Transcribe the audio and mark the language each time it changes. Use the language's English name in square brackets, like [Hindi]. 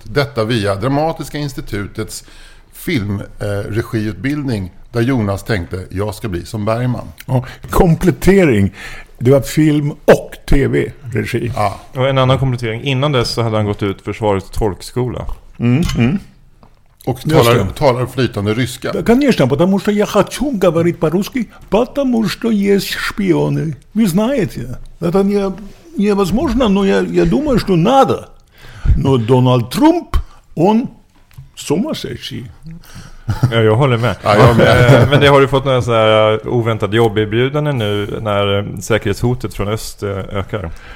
[Swedish] Detta via Dramatiska institutets filmregiutbildning där Jonas tänkte, jag ska bli som Bergman. Ja. Komplettering. Det var film och tv-regi. Ja. Och en annan komplettering. Innan dess så hade han gått ut försvarets tolkskola. Och talar flytande ryska. [Russian] Конечно, потому что я хочу говорить по-русски, потому что есть шпионы. Вы знаете, это невозможно, но я думаю, что надо. Но Дональд Трамп, он сумасшедший. [Swedish] Ja, jag håller med. Ja, jag med. Men det har du fått några så här oväntade jobberbjudanden nu när säkerhetshotet från öst ökar?